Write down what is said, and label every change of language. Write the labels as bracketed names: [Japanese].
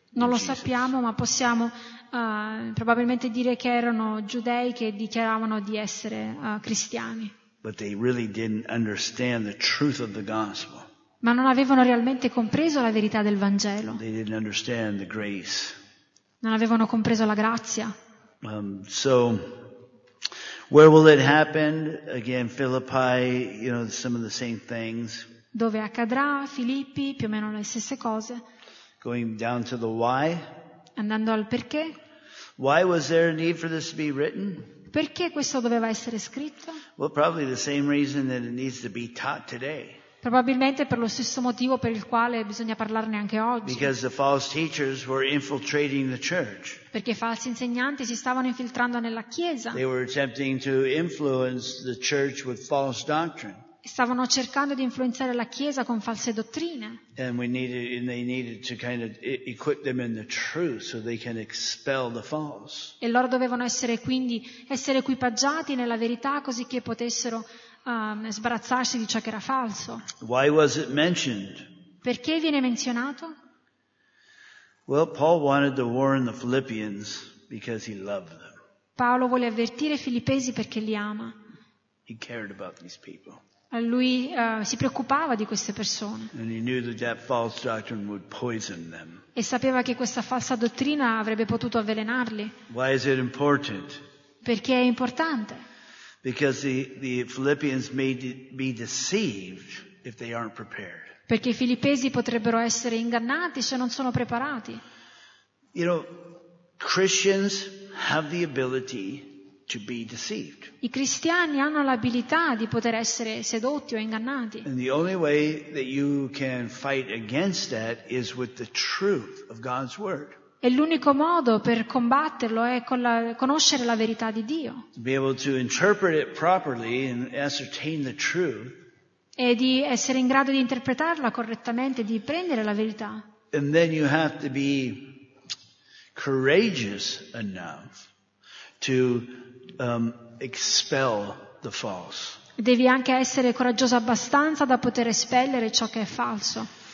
[Italian] Non lo sappiamo, ma possiamo probabilmente dire che erano giudei che dichiaravano di essere cristiani. [English] But they really didn't understand the truth of the gospel. [Italian] Ma non avevano realmente compreso la verità del Vangelo. [English] They didn't understand the grace. [Italian] Non avevano compreso la grazia. [English] So, where will it happen? Again, Philippi, you know, some of the same things. [Italian] Dove accadrà? Filippi, più o meno le stesse cose. [English] Going down to the why. [Italian] Andando al perché. [English] Why was there a need for this to be written? [Italian] Perché questo doveva essere scritto? [English] Well, probably the same reason that it needs to be taught today. [Italian] Probabilmente per lo stesso motivo per il quale bisogna parlarne anche oggi. [English] Because the false teachers were infiltrating the church. [Italian] Perché i falsi insegnanti si stavano infiltrando nella chiesa. [English] They were attempting to influence the church with false doctrine. [Italian] Stavano cercando di influenzare la chiesa con false dottrine. [English] And we needed, and they needed to kind of equip them in the truth so they can expel the false. [Italian] E loro dovevano essere quindi essere equipaggiati nella verità così che potessero sbarazzarsi di ciò che era falso. [English] Why was it mentioned? [Italian] Perché viene menzionato? [English] Well, Paul wanted to warn the Philippians because he loved them. [Italian] Paolo vuole avvertire i filippesi perché li ama. [English] He cared about these people. [Italian] Lui si preoccupava di queste persone. [English] And he knew that that false doctrine would poison them. [Italian] E sapeva che questa falsa dottrina avrebbe potuto avvelenarli. [English] Why is it important? [Italian] Perché è importante? [English] Because the Philippians may be deceived if they aren't prepared. [Italian] Perché i filippesi potrebbero essere ingannati se non sono preparati. [English] You know, Christians have the ability to be deceived. [Italian] I cristiani hanno l'abilità di poter essere sedotti o ingannati. [English] And the only way that you can fight against that is with the truth of God's word. [Italian] E l'unico modo per combatterlo è con la, conoscere la verità di Dio. [English] To be able to interpret it properly and ascertain the truth. [Italian] E di essere in grado di interpretarla correttamente, di prendere la verità. [English] And then you have to be courageous enough to expel the false. [Italian] Devi anche essere coraggioso abbastanza da poter espellere ciò che è falso.